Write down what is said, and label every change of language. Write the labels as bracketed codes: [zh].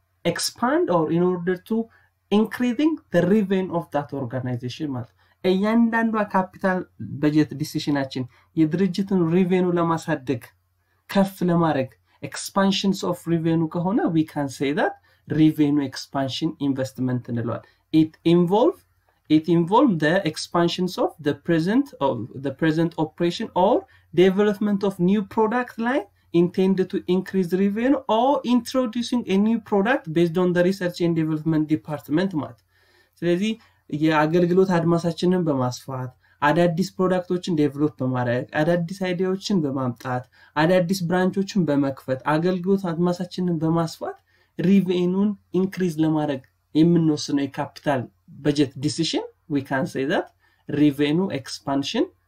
[en] expand or in order to increasing the revenue of that organization [am] ማለት እያንዳንዱ [en] capital budget decisionachin [am] የድርጅቱን [en] revenue [am] ለማሳደግ ከፍ ለማድረግ [en] expansions of revenue ከሆነ we can say that revenue expansion investment [am] እንለዋለን. [en] It involves the expansions of the present operation or development of new product line intended to increase revenue or introducing a new product based on the research and development department mat. [am] ስለዚህ የአገልግሎት አድማሳችንን በማስፋት አዳዲስ ፕሮዳክቶችን ዴቨሎፕ በማድረግ አዳዲስ አይዲያዎችን በማምጣት አዳዲስ ብራንቾችን በመክፈት አገልግሎት አድማሳችንን በማስፋት revenue increase ለማድረግ የምንወስነው capital budget decision [en] we can say that revenue expansion